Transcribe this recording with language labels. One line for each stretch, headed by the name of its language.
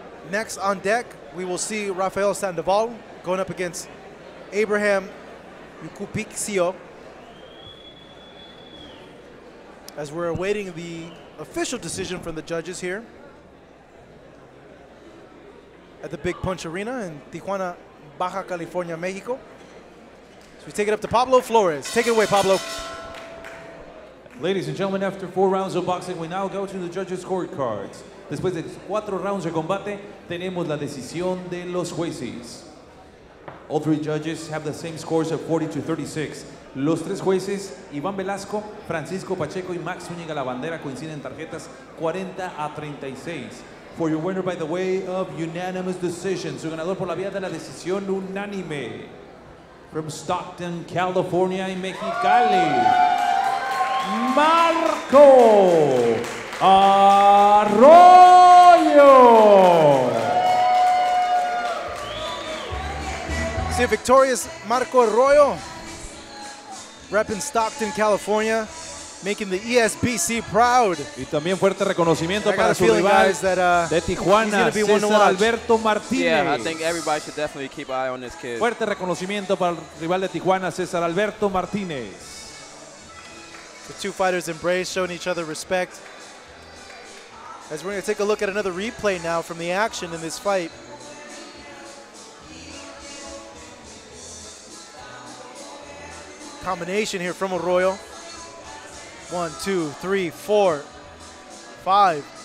English: Next on deck we will see Rafael Sandoval going up against Abraham Yucupixio, as we're awaiting the official decision from the judges here at the Big Punch Arena in Tijuana, Baja California, Mexico. So we take it up to Pablo Flores. Take it away, Pablo. Ladies and gentlemen, after four rounds of boxing, we now go to the judges' scorecards.
Spanish: Después de cuatro rounds de combate, tenemos la decisión de los jueces.
English: All three judges have the same scores of 40-36.
Spanish: Los tres jueces, Iván Velasco, Francisco Pacheco, y Max Zúñiga La Bandera, coinciden en tarjetas 40-36.
English: For your winner by the way of unanimous decision,
Spanish: su ganador por la vía de la decisión unánime,
English: from Stockton, California, y Mexicali, Marco Arroyo. See, victorious Marco Arroyo, repping Stockton, California, making the ESBC proud.
Spanish: Y también fuerte reconocimiento para su rival de Tijuana, César Alberto Martínez.
English: Yeah, I think everybody should definitely keep an eye on this kid.
Spanish: Fuerte reconocimiento para el rival de Tijuana, César Alberto Martínez.
English: The two fighters embrace, showing each other respect. As we're going to take a look at another replay now from the action in this fight. Combination here from Arroyo. One, two, three, four, five.